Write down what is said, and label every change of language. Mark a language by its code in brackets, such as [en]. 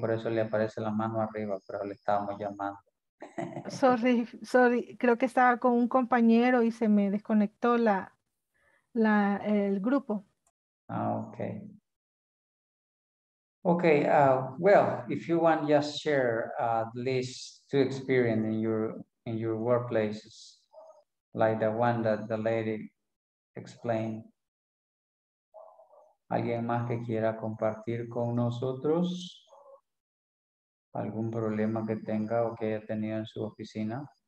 [es] Por eso le aparece la mano arriba, pero le estábamos llamando. [en] Sorry, sorry. [es] Creo que estaba con un compañero y se me desconectó el grupo. [en] Ah, ok. Okay, well, if you want, just share at least two experiences in your workplaces, like the one that the lady explained. [es] ¿Alguien más que quiera compartir con nosotros algún problema que tenga o que haya tenido en su oficina?